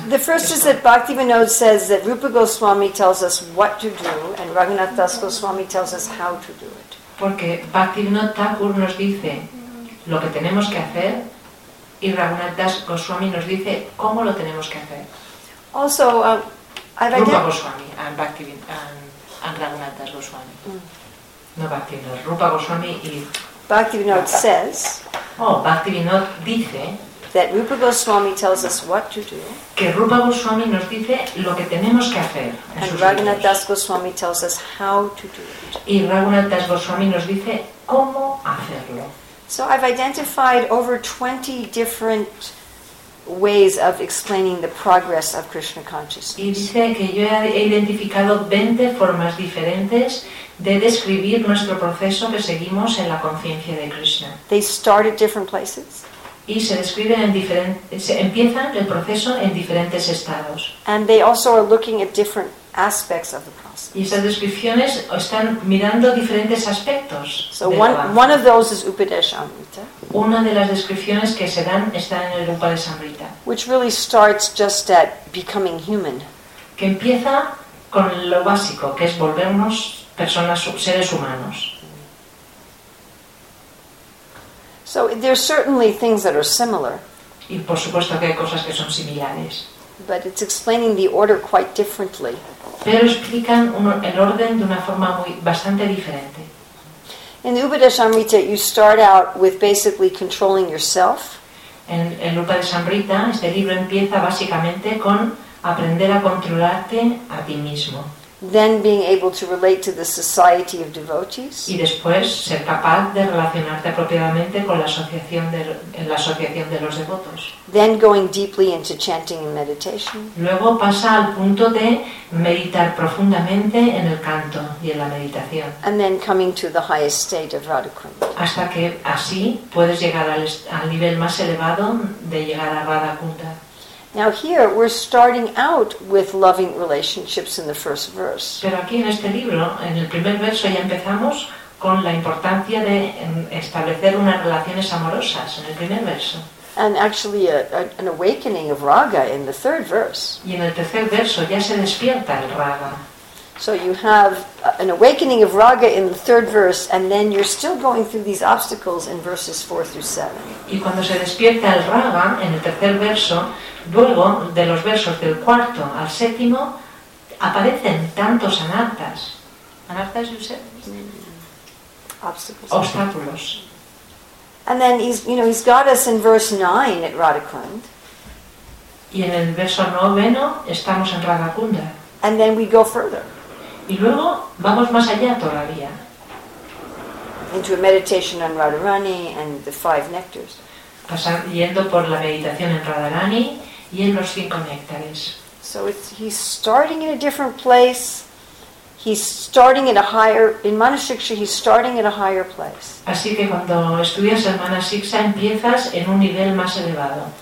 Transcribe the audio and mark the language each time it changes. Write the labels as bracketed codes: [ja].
[en] The first is that Bhaktivinoda says that Rupa Goswami tells us what to do and Raghunath Das Goswami tells us how to do it. [es] Porque Bhaktivinoda Thakur nos dice lo que tenemos que hacer y Raghunath Das Goswami nos dice cómo lo tenemos que hacer. [en] Also, Rupa Goswami and Raghunath Das Goswami. [es] No Bhaktivinoda, Rupa Goswami y... [en] Bhaktivinoda says... [es] Oh, Bhaktivinoda dice... [en] That Rupa Goswami tells us what to do. [es] Que Rupa Goswami nos dice lo que tenemos que hacer. [en] And Raghunath Das Goswami tells us how to do it. [es] Y Raghunath Das Goswami nos dice cómo hacerlo. [en] So I've identified over 20 different ways of explaining the progress of Krishna consciousness. [es] Y dice que yo he identificado 20 formas diferentes de describir nuestro proceso que seguimos en la conciencia de Krishna. [en] They start at different places. [es] Y se describen en diferentes, se empiezan el proceso en diferentes estados. [en] And they also are looking at different aspects of the process. [es] Y esas descripciones están mirando diferentes aspectos. [en] So one of those is Upadeshamrita. [es] Una de las descripciones que se dan está en el Upadeshamrita. [en] Which really starts just at becoming human. [es] Que empieza con lo básico, que es volvernos personas, seres humanos. [en] So there are certainly things that are similar. [es] Y por supuesto que hay cosas que son similares. [en] But it's explaining the order quite differently. [es] Pero explican el orden de una forma muy, bastante diferente. [en] In the Upadeshamrita, you start out with basically controlling yourself. [es] En el Upadeshamrita, este libro empieza básicamente con aprender a controlarte a ti mismo. [en] then being able to relate to the society of devotees. [es] Y después ser capaz de relacionarte apropiadamente con la asociación de los devotos. [en] Then going deeply into chanting and meditation. [es] Luego pasa al punto de meditar profundamente en el canto y en la meditación. [en] And then coming to the highest state of Radha Kunda. [es] Hasta que así puedes llegar al nivel más elevado de llegar a Radha Kunda. [en] Now here we're starting out with loving relationships in the first verse. [es] Pero aquí en este libro, en el primer verso ya empezamos con la importancia de establecer unas relaciones amorosas en el primer verso. [en] And actually an awakening of raga in the third verse. [es] Y en el tercer verso ya se despierta el raga. [en] So you have an awakening of raga in the third verse, and then you're still going through these obstacles in verses 4 through 7. [es] Y cuando se despierta el raga en el tercer verso, luego de los versos del cuarto al séptimo, aparecen tantos anartas. [en] Anartas, you said? Obstacles. [es] Obstáculos. [en] And then he's got us in verse 9 at Radha Kund. [es] Y en el verso noveno estamos en Radha Kunda. [en] And then we go further. [es] Y luego vamos más allá todavía. [en] Into a meditation on Radharani and the five nectars. [es] Yendo por la meditación en Radharani y en los cinco néctares. [en] So he's starting in a different place. He's starting at a higher, in Manasiksha, he's starting at a higher place. [es] Así que cuando estudias el Manasiksha, empiezas en un nivel más elevado.